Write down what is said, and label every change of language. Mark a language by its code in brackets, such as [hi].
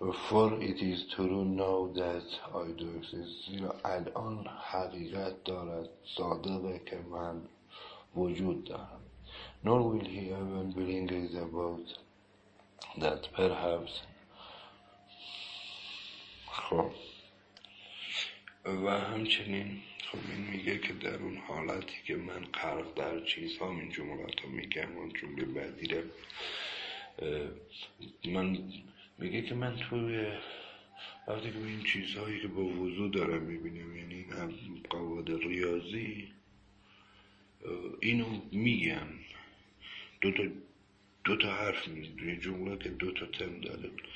[en] For it is true now that I do exist. [fa] زیرا الان حقیقت دارد صادقه که من وجود دارم. [en] Nor will he even bring it about that perhaps. [fa] خب و همچنین خب این میگه که در اون حالتی که من غرق در چیزها این جملات رو میگم اون جمله بعدی ره من میگه که من توی وقتی که این چیزهایی که با وضوح دارم میبینم، یعنی این قواعد ریاضی اینو میگم، دو تا حرف میزنه، یه جمله که دو تا تم داره.